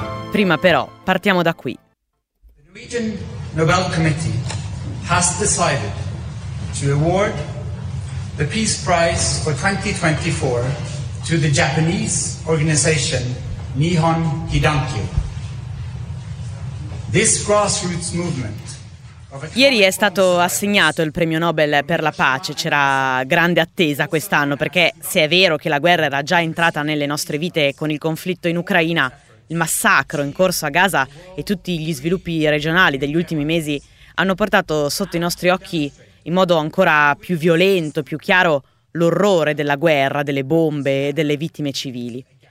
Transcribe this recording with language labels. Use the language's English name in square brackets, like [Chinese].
[Italian] Prima però, partiamo da qui. [English] The Norwegian Nobel Committee has decided to award the Peace Prize for 2024 to the Japanese organization Nihon Hidankyo. This grassroots movement. [Italian] Ieri è stato assegnato il premio Nobel per la pace, c'era grande attesa quest'anno perché se è vero che la guerra era già entrata nelle nostre vite con il conflitto in Ucraina, il massacro in corso a Gaza e tutti gli sviluppi regionali degli ultimi mesi hanno portato sotto i nostri occhi in modo ancora più violento, più chiaro, l'orrore della guerra, delle bombe e delle vittime civili.